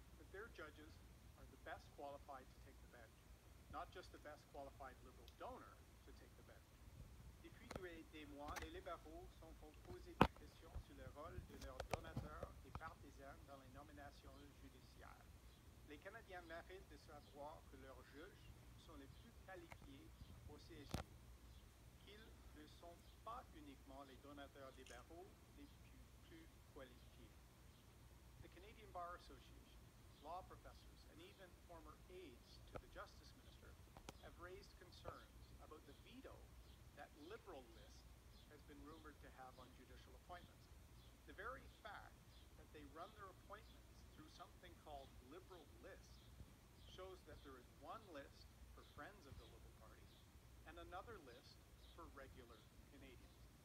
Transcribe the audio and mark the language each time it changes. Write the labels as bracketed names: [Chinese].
[English] their judges are the best qualified to take the bench, not just the best qualified Liberal donor to take the bench. [French] Depuis des mois, les libéraux sont posés des questions sur le rôle de leurs donateurs et partisans dans les nominations judiciaires. Les Canadiens méritent de savoir que leurs juges sont les plus qualifiés au CSJ, qu'ils ne sont pas uniquement les donateurs libéraux les plus qualifiés. [English] The Canadian Bar Association, law professors, and even former aides to the Justice Minister have raised concerns about the veto that Liberal list has been rumored to have on judicial appointments. The very fact that they run their appointments through something called Liberal list shows that there is one list for friends of the Liberal Party and another list for regular Canadians.